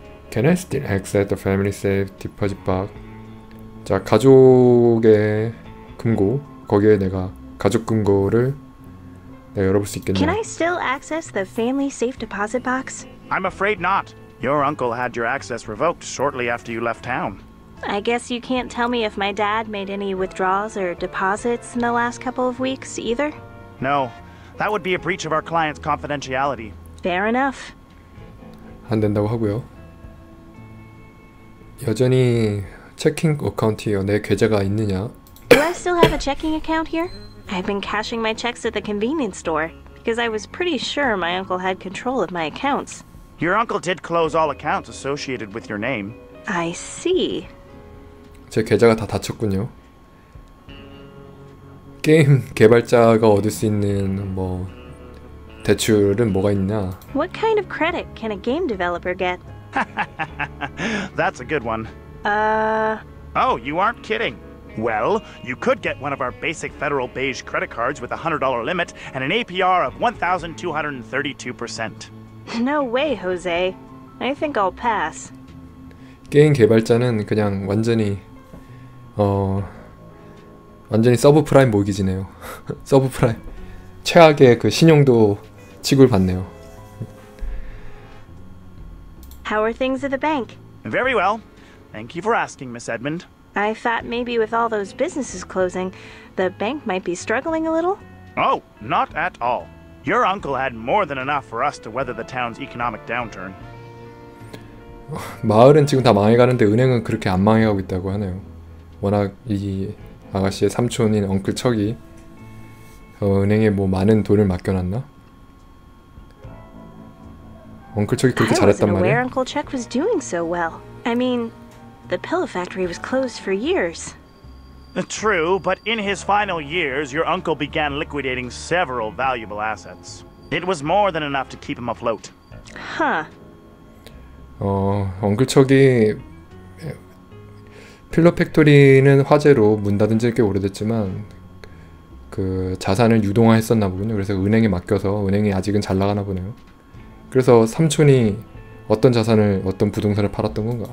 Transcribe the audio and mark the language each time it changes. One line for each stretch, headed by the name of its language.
English: Can I still access the family safe deposit box?
Korean: 자, 가족의 금고, 거기에 내가 가족 금고를 내가 열어볼 수 있겠네.
English: Can I still access the family safe deposit box? I'm afraid not. Your uncle had your access revoked shortly after you left town. I guess you can't tell me if my dad made any withdrawals or deposits in the last couple of weeks either? No. That would be a breach of our client's confidentiality. Fair enough.
Korean: 안 된다고 하고요. 여전히
English: checking account
Korean: 이요. 내 계좌가 있느냐?
English: Do I still have a checking account here? I've been cashing my checks at the convenience store because I was pretty sure my uncle had control of my accounts. Your uncle did close all accounts associated with your name. I see.
Korean: 제 계좌가 다 닫혔군요. 게임 개발자가 얻을 수 있는 뭐 대출은 뭐가 있냐?
English: What kind of credit can a game developer get? That's a good one. Oh, you aren't kidding. Well, you could get one of our basic federal beige credit cards with a $100 limit and an APR of 1,232%. No way, Jose. I think I'll pass.
Korean: 게임 개발자는 그냥 완전히 완전히 서브프라임 모기지네요. 서브프라임 최악의 그 신용도 치굴 받네요.
English: How are things at the bank? Very well. Thank you for asking, Miss Edmund. I thought maybe with all those businesses closing, the bank might be struggling a little? Oh, not at all. Your uncle had more than enough for us to weather the town's economic downturn.
Korean: 마을은 지금 다 망해가는데 은행은 그렇게 안 망해가고 있다고 하네요. 워낙 이 아가씨의 삼촌인 엉클 척이 은행에 뭐 많은 돈을 맡겨놨나? 엉클 척이 그렇게 잘했단 말이야.
English: I wasn't aware Uncle Chuck was doing so well. I mean... The pillow factory was closed for years. True, but in his final years, your uncle began liquidating several valuable assets. It was more than enough to keep him afloat. Huh.
Korean: 엉클 척이 필러 팩토리는 화재로 문 닫은 지 꽤 오래됐지만 그 자산을 유동화했었나 보군요. 그래서 은행에 맡겨서 은행이 아직은 잘 나가나 보네요. 그래서 삼촌이 어떤 자산을, 어떤 부동산을 팔았던 건가?